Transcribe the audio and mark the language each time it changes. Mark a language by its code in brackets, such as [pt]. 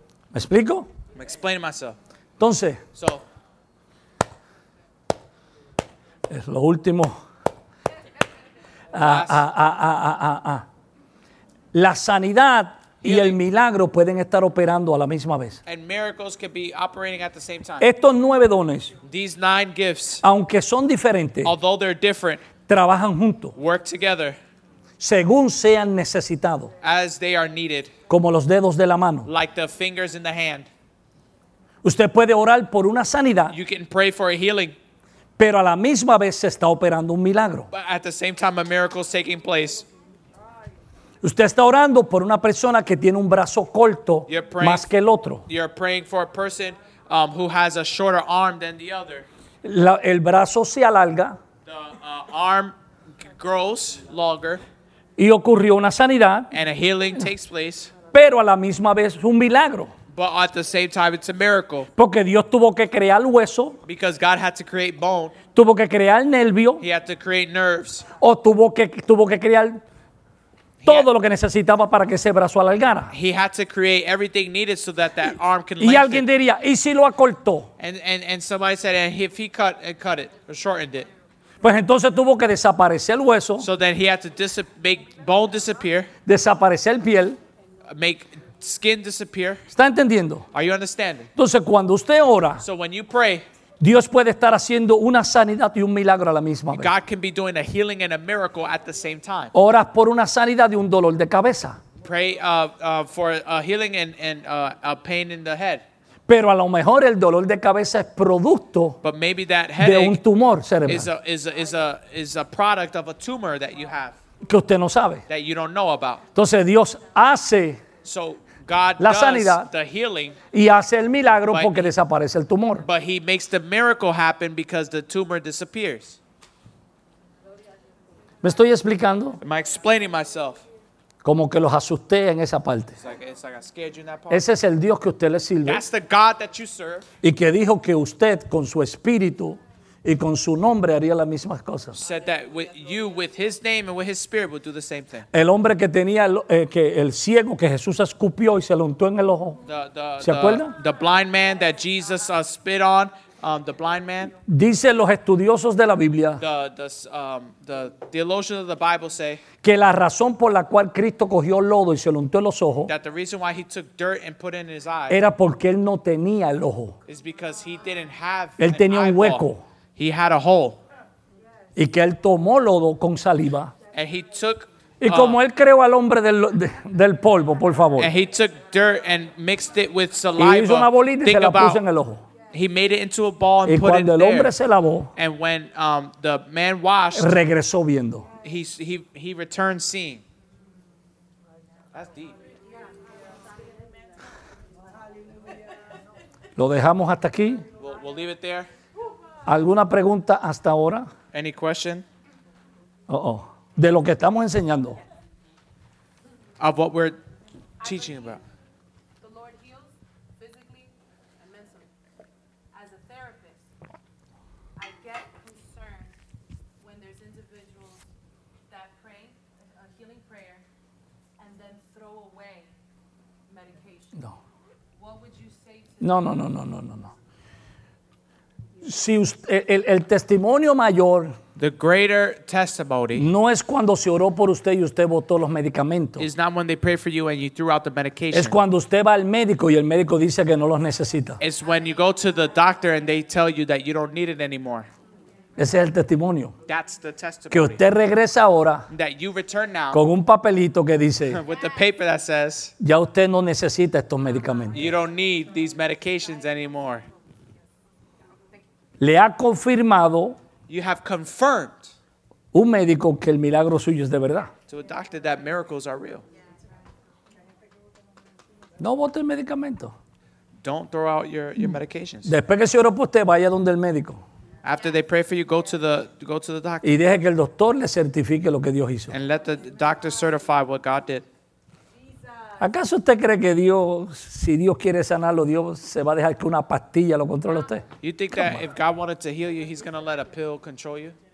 [es] ¿Me explico? [en] I'm explaining myself. [es] Entonces, [en] so, [es] es lo último. La sanidad y el milagro pueden estar operando a la misma vez. [en] And miracles can be operating at the same time. [es] Estos nueve dones, [en] these nine gifts, [es] aunque son diferentes, [en] although they're different, [es] trabajan juntos, [en] work together, [es] según sean necesitados, [en] as they are needed, [es] como los dedos de la mano, [en] like the fingers in the hand. [es] Usted puede orar por una sanidad, [en] you can pray for a healing, [es] pero a la misma vez se está operando un milagro. [en] But at the same time, a miracle is taking place. [es] Usted está orando por una persona que tiene un brazo corto más que el otro. [en] You're praying for a person who has a shorter arm than the other. [es] El brazo se alarga. [en] The arm grows longer. [es] Y ocurrió una sanidad. [en] And a healing takes place. [es] Pero a la misma vez un milagro. [en] But at the same time it's a miracle. [es] Porque Dios tuvo que crear hueso. [en] Because God had to create bone. [es] Tuvo que crear nervio. [en] He had to create nerves. [es] O tuvo que crear todo lo que necesitaba para que ese brazo alargara. [en] He had to create everything needed so that that arm can lengthen. [es] Y alguien diría, ¿y si lo acortó? [en] And somebody said, and if he cut it or shortened it. [es] Pues entonces tuvo que desaparecer el hueso. [en] So then he had to make bone disappear. [es] Desaparecer piel. [en] Make skin disappear. [es] ¿Está entendiendo? [en] Are you understanding? [es] Entonces cuando usted ora, [en] so when you pray, [es] Dios puede estar haciendo una sanidad y un milagro a la misma vez. [en] God can be doing a healing and a miracle at the same time. [es] Oras por una sanidad y un dolor de cabeza. [en] Pray for a healing and a pain in the head. [es] Pero a lo mejor el dolor de cabeza es producto de un tumor cerebral. [en] Is a product of a tumor that you have. [es] Que usted no sabe. [en] That you don't know about. [es] Entonces Dios hace [en] God [es] la sanidad, [en] does the healing, [es] y hace el milagro porque desaparece el tumor. [en] But he makes the miracle happen because the tumor disappears. [es] ¿Me estoy explicando? [en] Am I explaining myself? [es] Como que los asusté en esa parte. [en] It's like I scared you in that part. [es] Ese es el Dios que usted le sirve. [en] That's the God that you serve. [es] Y que dijo que usted con su espíritu y con su nombre haría las mismas cosas. [en] Said that with you, with his name and with his spirit, would do the same thing. [es] El hombre que tenía el ciego que Jesús escupió y se lo untó en el ojo. ¿Se acuerda? [en] The blind man that Jesus spit on, the blind man. [es] Dicen los estudiosos de la Biblia. [en] The theologians of the Bible say. [es] Que la razón por la cual Cristo cogió lodo y se lo untó en los ojos. [en] That the reason why he took dirt and put it in his eye. [es] Era porque él no tenía el ojo. [en] Is because he didn't have. [es] Él tenía un hueco. [en] He had a hole. [es] Y que él tomó lodo con saliva. [en] And he took. [es] Y como él creó al hombre del polvo, por favor. [en] And he took dirt and mixed it with saliva. [es] Y hizo una bolita y se la puso en el ojo. [en] He made it into a ball and [es] y [en] put it there. [es] Y cuando el hombre se lavó. [en] And when the man washed. [es] Regresó viendo. [en] He returned seeing. That's deep. [es] Lo dejamos hasta aquí. [en] We'll leave it there. [es] ¿Alguna pregunta hasta ahora? [en] Any question? [es] De lo que estamos enseñando. [en] Of what we're teaching about. The Lord heals physically and mentally. As a therapist, I get concerned when there's individuals that pray a healing prayer and then throw away medication. No. What would you say to them? [es] No. Si usted, el testimonio mayor, [en] the greater testimony, [es] no es cuando se oró por usted y usted botó los medicamentos. [en] Is not when they pray for you and you threw out the medication. [es] Es cuando usted va al médico y el médico dice que no los necesita. [en] It's when you go to the doctor and they tell you that you don't need it anymore. [es] Ese es el testimonio. [en] That's the testimony. [es] Que usted regresa ahora con un papelito que dice [en] with the paper that says, [es] ya usted no necesita estos medicamentos. [en] You don't need these medications anymore. [es] Le ha confirmado [en] you have confirmed [es] un médico que el milagro suyo es de verdad. [en] To a doctor that miracles are real. [es] No bote el medicamento. [en] Don't throw out your medications. [es] Después que se oró por usted, vaya donde el médico. [en] After they pray for you, go to the doctor. [es] Y deje que el doctor le certifique lo que Dios hizo. [en] And let the doctor certify what God did. [es] ¿Acaso usted cree que Dios, si Dios quiere sanarlo, Dios se va a dejar que una pastilla lo controle usted? [en] You think that if God wanted to heal you, he's going to let a pill control you?